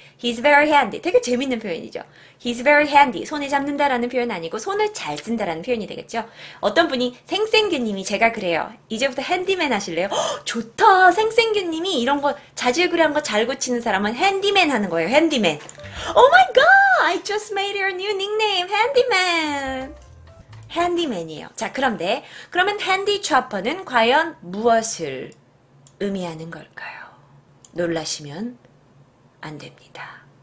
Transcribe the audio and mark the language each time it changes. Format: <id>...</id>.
<en>He's very handy.</en> <ko>되게 재밌는 표현이죠.</ko> <en>He's very handy.</en> <ko>손에 잡는다라는 표현 아니고 손을 잘 쓴다라는 표현이 되겠죠. 어떤 분이 생생규님이 제가 그래요. 이제부터 핸디맨 하실래요? 좋다. 생생규님이 이런 거 자질구레한 거잘 고치는 사람은 핸디맨 하는 거예요. 핸디맨.</ko> <en>Oh my god! I just made your new nickname, 핸디맨.</en> <ko>핸디맨이에요. 자, 그런데 그러면 핸디 초퍼는 과연 무엇을 의미하는 걸까요? 놀라시면. 안 됩니다.</ko>